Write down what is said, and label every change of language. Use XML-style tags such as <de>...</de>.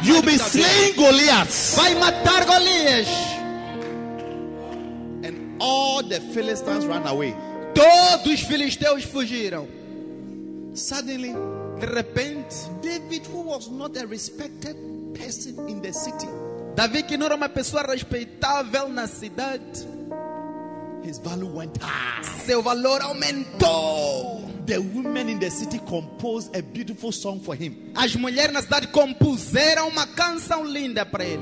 <en>You'll be slaying Goliath.</en> <pt>Vai matar Goliath.</pt> <en>And all the Philistines ran away.</en> <pt>Todos os filisteus fugiram.</pt> <en>Suddenly,</en> <pt>de repente,</pt> <en>David, who was not a respected person in the city,</en> <pt>Davi que não era uma pessoa respeitável na cidade.</pt> <en>His value went high.</en> <pt>Seu valor aumentou.</pt> <en>The women in the city composed a beautiful song for him.</en> <pt>As mulheres na cidade compuseram uma canção linda para ele.</pt>